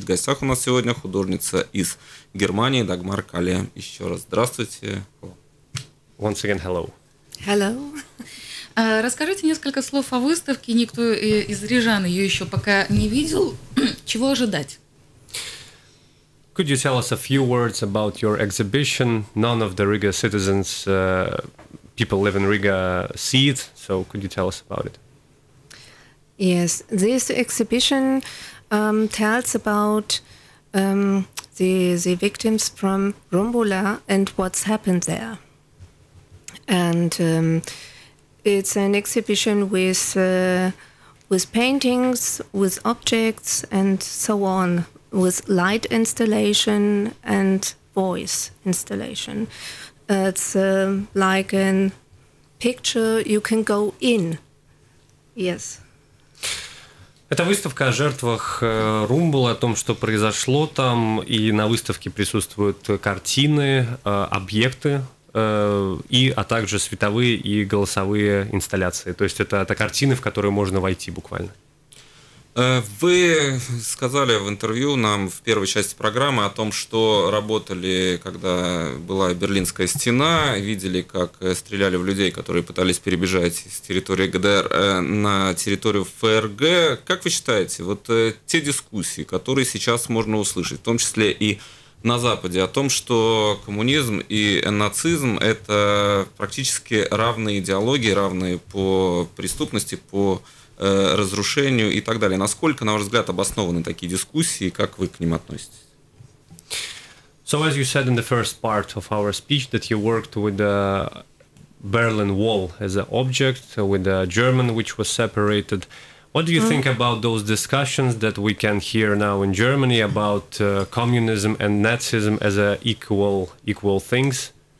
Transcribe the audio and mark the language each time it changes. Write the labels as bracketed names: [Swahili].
[Russian] В гостях у нас сегодня художница из Германии Дагмар Кале. Еще раз здравствуйте. [English] Once again, hello. Hello. [Russian] Расскажите несколько слов о выставке. Никто из рижан ее еще пока не видел. Чего ожидать? [English] Could you tell us a few words about your exhibition? None of the Riga citizens, people live in Riga, see it. So could you tell us about it? Yes, this exhibition tells about the victims from Rumbula and what's happened there. And it's an exhibition with paintings, with objects, and so on, with light installation and voice installation. It's like a picture you can go in. Yes. [Russian] Это выставка о жертвах Румбула, о том, что произошло там, и на выставке присутствуют картины, объекты, и, а также световые и голосовые инсталляции. То есть это картины, в которые можно войти буквально. Вы сказали в интервью нам в первой части программы о том, что работали, когда была Берлинская стена, видели, как стреляли в людей, которые пытались перебежать с территории ГДР на территорию ФРГ. Как вы считаете, вот те дискуссии, которые сейчас можно услышать, в том числе и на Западе, о том, что коммунизм и нацизм – это практически равные идеологии, равные по преступности, по разрушению и так далее. Насколько, на ваш взгляд, обоснованы такие дискуссии, как вы к ним относитесь? [English] So as you said in the first part of our speech, that you worked with the Berlin Wall as an object, with the German which was separated. What do you think about those discussions that we can hear now in Germany about communism and Nazism as a equal things?